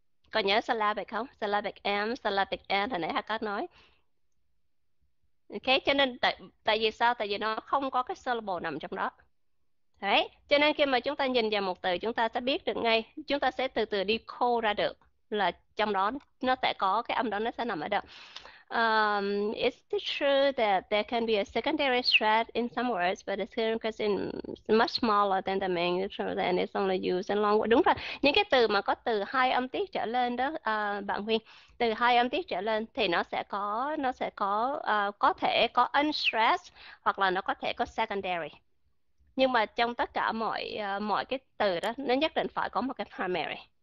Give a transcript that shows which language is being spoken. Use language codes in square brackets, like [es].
[vi] Còn nhớ syllabic không? Syllabic M, syllabic N hồi nãy Hà có nói. Ok, cho nên tại tại vì sao? Tại vì nó không có cái syllable nằm trong đó. Đấy, cho nên khi mà chúng ta nhìn vào một từ chúng ta sẽ biết được ngay, chúng ta sẽ từ từ decode ra được là trong đó nó sẽ có cái âm đó nó sẽ nằm ở đâu. [en] Is it true that there can be a secondary stress in some words, but it's because it's much smaller than the main and it's only used in long words? [vi] Đúng rồi. Những cái từ mà có từ hai âm tiết trở lên đó, bạn Huyên, từ hai âm tiết trở lên thì nó sẽ có có thể có unstressed hoặc là nó có thể có secondary. Nhưng mà trong tất cả mọi mọi cái từ đó, nó nhất định phải có một cái primary.